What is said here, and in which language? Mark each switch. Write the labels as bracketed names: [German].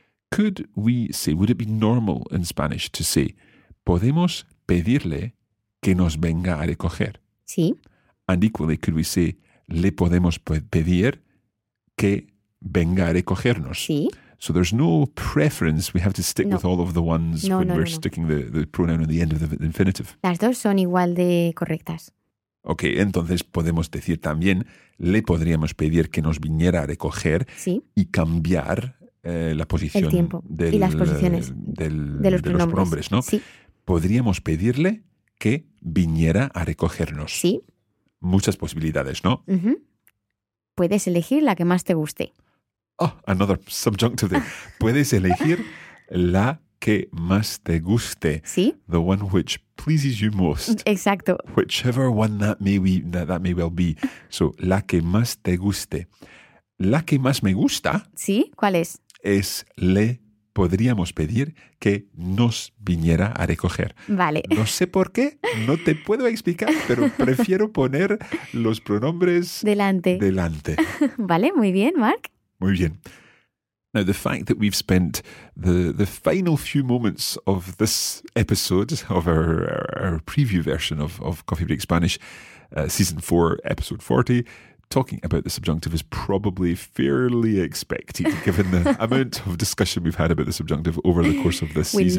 [English] Could we say, would it be normal in Spanish to say, [Spanish] podemos pedirle que nos venga a recoger? Sí. [English] And equally, could we say, [Spanish] le podemos pedir que venga a recogernos? Sí. [English] So there's no preference. We have to stick with all of the ones sticking the pronoun at the end of the infinitive. [Spanish] Las dos son igual de correctas. Ok, entonces podemos decir también, le podríamos pedir que nos viniera a recoger sí. y cambiar la posición el tiempo del, y las posiciones de los pronombres, ¿no? Sí. Podríamos pedirle que viniera a recogernos. Sí. Muchas posibilidades, ¿no? Uh-huh. Puedes elegir la que más te guste. [English] Oh, another subjunctive there. [Spanish] Puedes elegir la que más te guste. Sí. [English] The one which pleases you most. [Spanish] Exacto. [English] Whichever one that may well be. [Spanish] So, la que más te guste. La que más me gusta. Sí, ¿cuál es? Es le podríamos pedir que nos viniera a recoger. Vale. No sé por qué, no te puedo explicar, pero prefiero poner los pronombres delante. Vale, muy bien, Mark. Muy bien. [English] Now, the fact that we've spent the final few moments of this episode, of our preview version of Coffee Break Spanish, season 4, episode 40, talking about the subjunctive is probably fairly expected, given the amount of discussion we've had about the subjunctive over the course of this season.